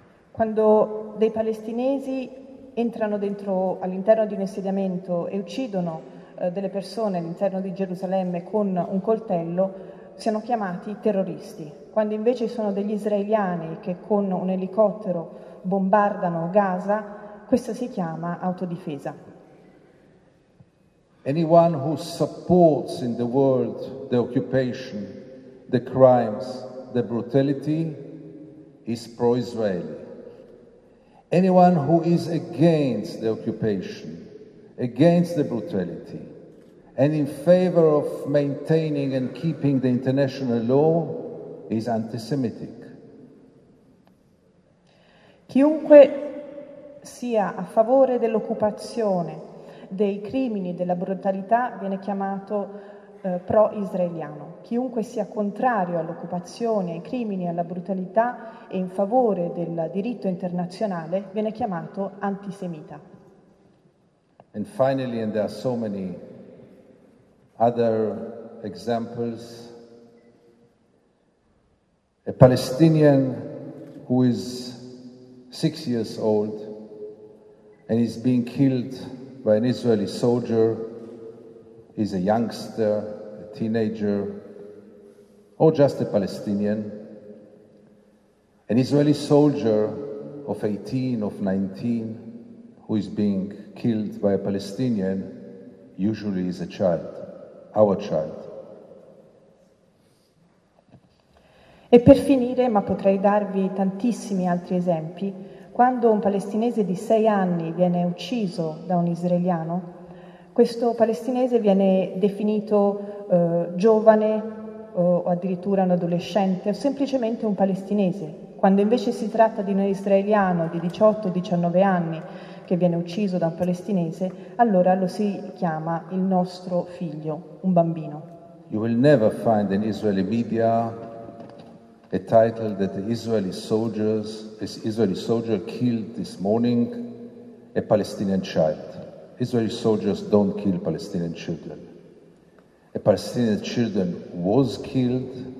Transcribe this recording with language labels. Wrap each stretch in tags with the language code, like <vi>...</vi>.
<it>quando dei palestinesi entrano dentro all'interno di un insediamento e uccidono delle persone all'interno di Gerusalemme con un coltello, siano chiamati terroristi. Quando invece sono degli israeliani che con un elicottero bombardano Gaza, questo si chiama autodifesa.</it> <en>Anyone who supports in the world the occupation, the crimes, the brutality is pro-Israeli. Anyone who is against the occupation, against the brutality, and in favor of maintaining and keeping the international law is anti-Semitic.</en> <it>Chiunque sia a favore dell'occupazione, dei crimini, della brutalità, viene chiamato pro-israeliano. Chiunque sia contrario all'occupazione, ai crimini, alla brutalità e in favore del diritto internazionale viene chiamato antisemita.</it> <en>And finally, and there are so many other examples, a Palestinian who is 6 years old and is being killed by an Israeli soldier, he's a youngster, a teenager, or just a Palestinian. An Israeli soldier of 18, of 19, who is being killed by a Palestinian, usually is a child, our child.</en> <it>E per finire, ma potrei darvi tantissimi altri esempi, quando un palestinese di 6 anni viene ucciso da un israeliano, questo palestinese viene definito giovane o addirittura un adolescente o semplicemente un palestinese. Quando invece si tratta di un israeliano di 18-19 anni che viene ucciso da un palestinese, allora lo si chiama il nostro figlio, un bambino.</it> <en>You will never find in Israeli media a title that the Israeli soldier killed this morning a Palestinian child. Israeli soldiers don't kill Palestinian children. A Palestinian children was killed.</en>